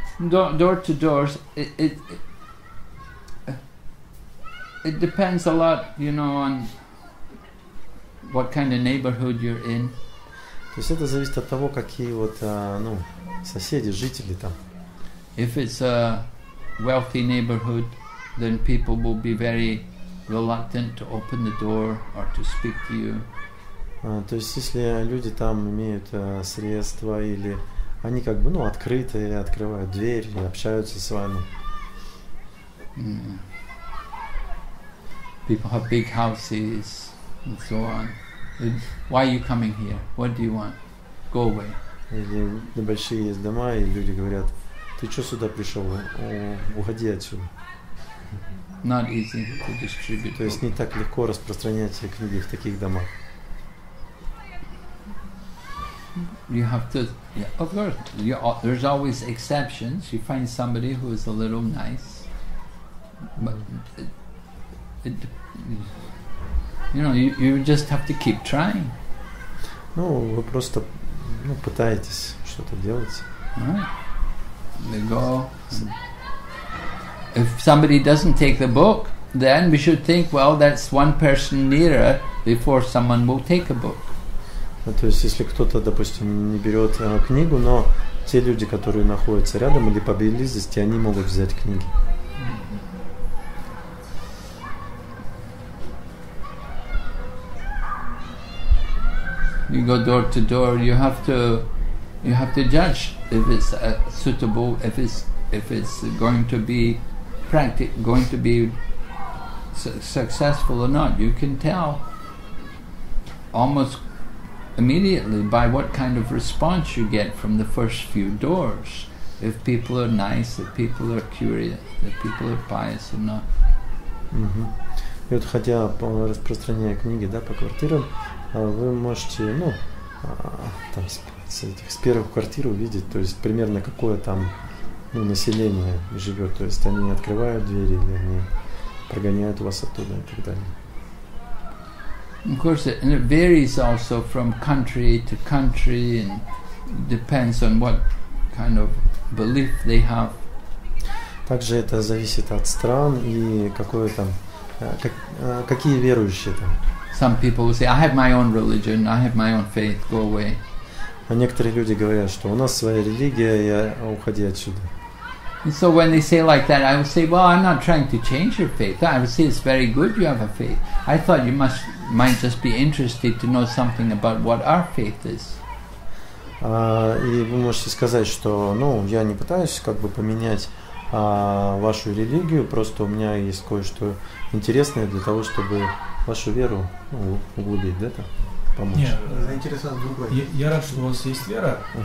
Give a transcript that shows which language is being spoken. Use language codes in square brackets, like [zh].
[en] Door to doors, it depends a lot, you know, on what kind of neighborhood you're in. [ru] То есть это зависит от того, какие вот, ну, соседи, жители там. [en] If it's a wealthy neighborhood, then people will be very reluctant to open the door or to speak to you. [ru] То есть если люди там имеют средства или они как бы, ну, открытые, открывают дверь, общаются с вами. [en] People have big houses and so on. Why are you coming here? What do you want? Go away. [ru] Или небольшие есть дома, и люди говорят, ты что сюда пришел? Уходи отсюда. [en] Not easy to distribute. [ru] То есть не так легко распространять книги в таких домах. [en] You have to, yeah, of course, there's always exceptions. You find somebody who is a little nice, but you just have to keep trying. [ru] Ну, вы просто, ну, пытаетесь что-то делать. [en] All right. They go. If somebody doesn't take the book, then we should think, well, that's one person nearer before someone will take a book. [ru] То есть, если кто-то, допустим, не берет книгу, но те люди, которые находятся рядом или поблизости, они могут взять книги. [en] You go door to door. You have to judge if it's suitable, if it's going to be successful or not. You can tell almost immediately by what kind of response you get from the first few doors, if people are nice, if people are curious, if people are pious or not. [ru] И вот хотя распространяя книги, да, по квартирам, вы можете, ну, там, с первых квартир увидеть, то есть примерно какое там, ну, население живет, то есть они открывают двери или они прогоняют вас оттуда и так далее. [en] Of course, it varies also from country to country, and depends on what kind of belief they have. [ru] Также это зависит от стран и какое там, какие верующие там. [en] Some people will say, "I have my own religion. I have my own faith. Go away." [ru] А некоторые люди говорят, что у нас своя религия, я уходи отсюда. [en] And so when they say like that, I would say, well, I'm not trying to change your faith. I would say it's very good you have a faith. I thought you might just be interested to know something about what our faith is. [ru] И вы можете сказать, что, ну, я не пытаюсь как бы поменять вашу религию, просто у меня есть кое-что интересное для того, чтобы вашу веру, ну, углубить, да, там, помочь. Нет, заинтересован другой. Я рад, что у вас есть вера, uh-huh.